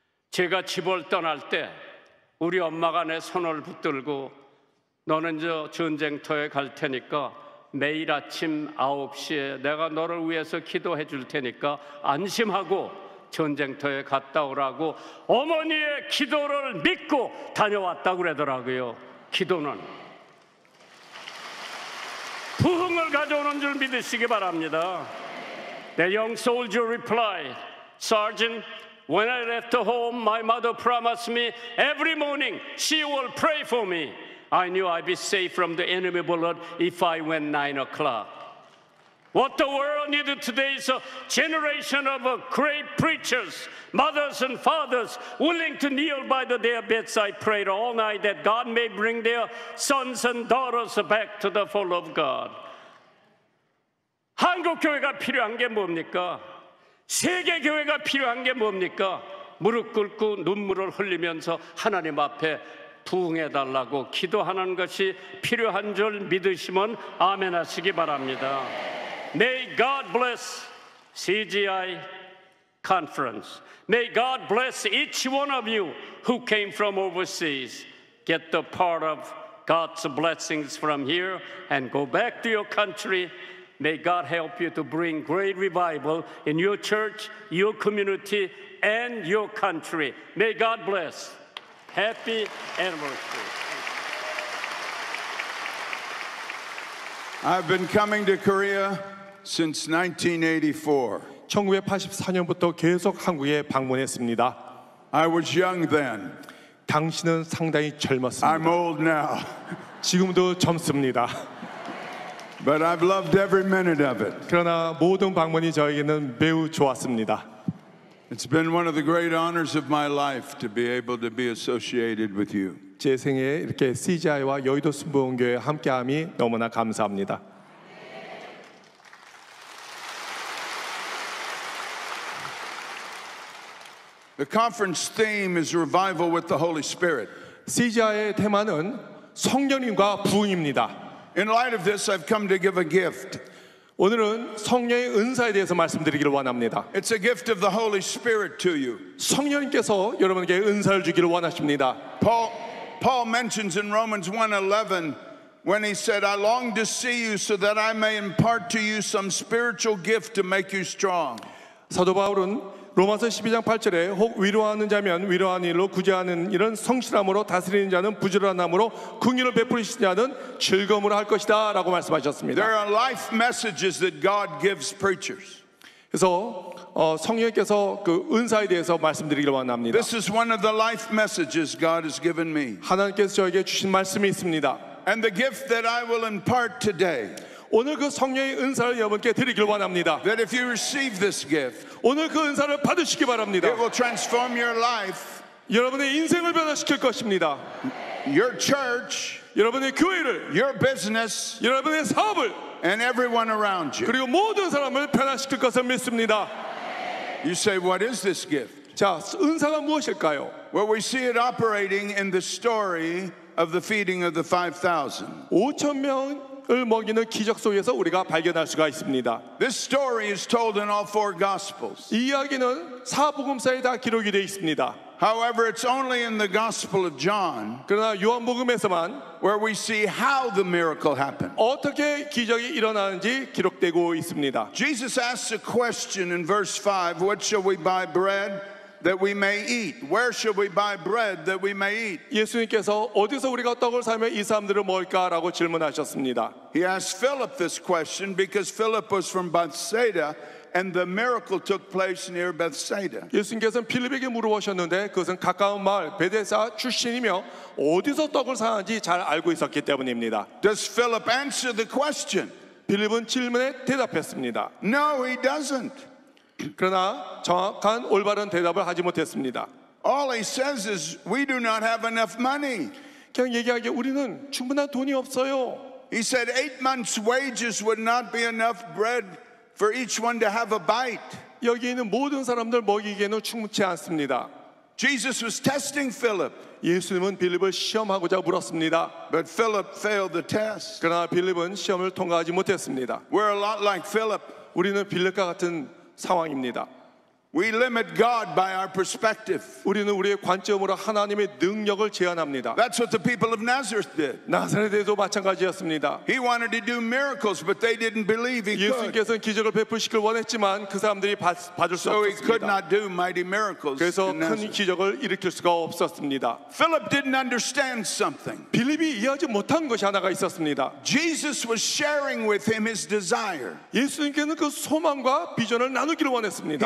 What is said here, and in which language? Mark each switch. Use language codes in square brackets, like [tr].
[ko] 제가 집을 떠날 때 우리 엄마가 내 손을 붙들고 너는 저 전쟁터에 갈 테니까 매일 아침 9시에 내가 너를 위해서 기도해 줄 테니까 안심하고 전쟁터에 갔다 오라고 어머니의 기도를 믿고 다녀왔다고 그러더라고요. 기도는 부흥을 가져오는 줄 믿으시기 바랍니다. [en] The young soldier replied, Sergeant, when I left home, my mother promised me every morning she will pray for me. I knew I'd be safe from the enemy bullet if I went 9 o'clock. What the world needed today is a generation of great preachers, mothers and fathers, willing to kneel by their beds. I prayed all night that God may bring their sons and daughters back to the fold of God. [ko] 한국 교회가 필요한 게 뭡니까? 세계 교회가 필요한 게 뭡니까? 무릎 꿇고 눈물을 흘리면서 하나님 앞에 부흥해달라고 기도하는 것이 필요한 줄 믿으시면 아멘하시기 바랍니다. [en] May God bless CGI Conference. May God bless each one of you who came from overseas. Get the part of God's blessings from here and go back to your country. May God help you to bring great revival in your church, your community, and your country. May God bless. Happy anniversary. I've been coming to Korea since 1984. [ko] 1984년부터 계속 한국에 방문했습니다. [en] I was young then. [ko] 당신은 상당히 젊었습니다. [en] I'm old now. [ko] 지금도 젊습니다. [en] But I've loved every minute of it. [ko] 그러나 모든 방문이 저에게는 매우 좋았습니다. [en] It's been one of the great honors of my life to be able to be associated with you. [ko] 제 생에 이렇게 CGI와 여의도 순복음교회 함께함이 너무나 감사합니다. [en] The conference theme is revival with the Holy Spirit. [ko] CGI의 테마는 성령님과 부흥입니다. [en] In light of this, I've come to give a gift. [ko] 오늘은 성령의 은사에 대해서 말씀드리기를 원합니다. [en] It's a gift of the Holy Spirit to you. [ko] 성령께서 여러분에게 은사를 주기를 원하십니다. [en] Paul mentions in Romans 1:11 when he said, "I long to see you so that I may impart to you some spiritual gift to make you strong." [ko] 사도 바울은 로마서 12장 8절에 혹 위로하는 자면 위로하는 일로 구제하는 일은 성실함으로 다스리는 자는 부지런함으로 긍휼을 베푸시는 자는 즐거움으로 할 것이다 라고 말씀하셨습니다. [en] There are life messages that God gives preachers. [ko] 그래서 성령께서 그 은사에 대해서 말씀드리기를 원합니다. [en] This is one of the life messages God has given me. [ko] 하나님께서 저에게 주신 말씀이 있습니다. [en] And the gift that I will impart today. [ko] 오늘 그 성령의 은사를 여러분께 드리길 원합니다. [en] That if you receive this gift, [ko] 오늘 그 은사를 받으시기 바랍니다. [en] It will transform your life. [ko] 여러분의 인생을 변화시킬 것입니다. [en] Your church, [ko] 여러분의 교회를, [en] your business, [ko] 여러분의 사업을, [en] and everyone around you. [ko] 그리고 모든 사람을 변화시킬 것을 믿습니다. [en] You say, what is this gift? [ko] 자, 은사가 무엇일까요? [en] Well, we see it operating in the story of the feeding of the 5,000. [ko] 5,000명 을 먹이는 기적 속에서 우리가 발견할 수가 있습니다. [en] This story is told in all four gospels. [ko] 이 이야기는 사복음서에 다 기록이 되어 있습니다. [en] However, it's only in the Gospel of John [ko] 그러나 요한복음에서만 [en] where we see how the miracle happened. [ko] 어떻게 기적이 일어나는지 기록되고 있습니다. [en] Jesus asks a question in verse 5, "What shall we buy bread that we may eat? Where shall we buy bread that we may eat?" [ko] 예수님께서 어디서 우리가 떡을 사며 이 사람들을 먹을까라고 질문하셨습니다. [en] He asked Philip this question because Philip was from Bethsaida and the miracle took place near Bethsaida. [ko] 예수님께서는 필립에게 물어보셨는데 그것은 가까운 마을 베데사 출신이며 어디서 떡을 사는지 잘 알고 있었기 때문입니다. [en] Does Philip answer the question? [ko] 필립은 질문에 대답했습니다. [en] No, he doesn't. [ko] 그러나 정확한 올바른 대답을 하지 못했습니다. [en] All he says is, "We do not have enough money." [ko] 그냥 얘기하기에 우리는 충분한 돈이 없어요. [en] He said, "8 months' wages would not be enough bread for each one to have a bite." [ko] 여기 있는 모든 사람들 먹이기에는 충분치 않습니다. [en] Jesus was testing Philip. [ko] 예수님은 빌립을 시험하고자 물었습니다. [en] But Philip failed the test. [ko] 그러나 빌립은 시험을 통과하지 못했습니다. [en] We're a lot like Philip. [ko] 우리는 빌립과 같은 상황입니다. [en] We limit God by our perspective. [ko] 우리는 우리의 관점으로 하나님의 능력을 제한합니다. [en] That's what the people of Nazareth did. [ko] 나사렛에도 마찬가지였습니다. [en] He wanted to do miracles, but they didn't believe he could. [ko] 예수님께서는 기적을 베푸시길 원했지만 그 사람들이 받을 수 없었습니다. [en] So he could not do mighty miracles. [ko] 그래서 큰 기적을 일으킬 수가 없었습니다. [en] Philip didn't understand something. [ko] 빌립이 이해하지 못한 것이 하나가 있었습니다. [en] Jesus was sharing with him his desire. [ko] 예수님께서는 그 소망과 비전을 나누기를 원했습니다.